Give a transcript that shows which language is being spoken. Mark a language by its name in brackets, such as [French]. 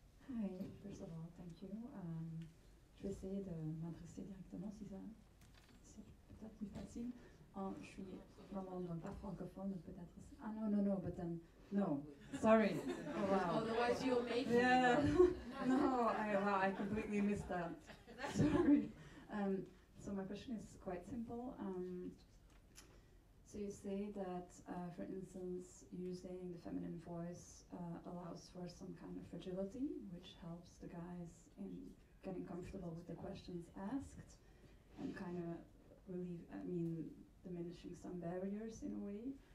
[English] Hi, first of all, thank you. [French] Je vais essayer de m'adresser directement, si ça c'est peut-être plus facile. Je suis vraiment donc, pas francophone, donc peut-être... Ah non, non, non, [English] but then... No, sorry. Oh, wow. Otherwise you'll make it. Yeah. No, I completely missed that. Sorry. So my question is quite simple. So you say that, for instance, using the feminine voice allows for some kind of fragility, which helps the guys in getting comfortable with the questions asked and kind of relieve, I mean, diminishing some barriers in a way.